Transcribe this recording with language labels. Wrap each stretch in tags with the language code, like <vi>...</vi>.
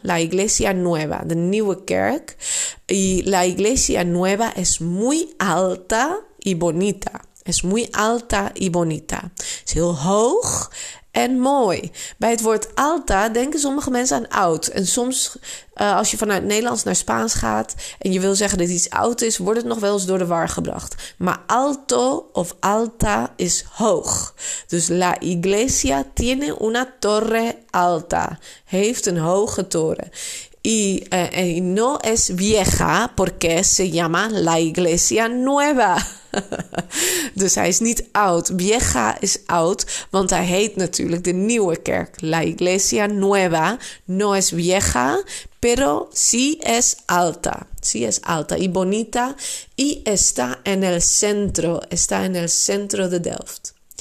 <es>La Iglesia Nueva,</es> <nl>de Nieuwe Kerk.</nl> <es>Y la Iglesia Nueva es muy alta y bonita. Es muy alta y bonita.</es> <nl>Es heel hoog en mooi. Bij het woord alta denken sommige mensen aan oud. En soms, als je vanuit Nederlands naar Spaans gaat en je wil zeggen dat iets oud is, wordt het nog wel eens door de war gebracht. Maar alto of alta is hoog.</nl> <es>Dus la iglesia tiene una torre alta.</es> <nl>Heeft een hoge toren.</nl> <es>Y no es vieja porque se llama la iglesia nueva.</es> <nl>Dus hij is niet oud. Vieja is oud, want hij heet natuurlijk de Nieuwe Kerk.</nl> <es>La Iglesia Nueva no es vieja, pero sí es alta. Sí es alta y bonita. Y está en el centro. Está en el centro de Delft.</es>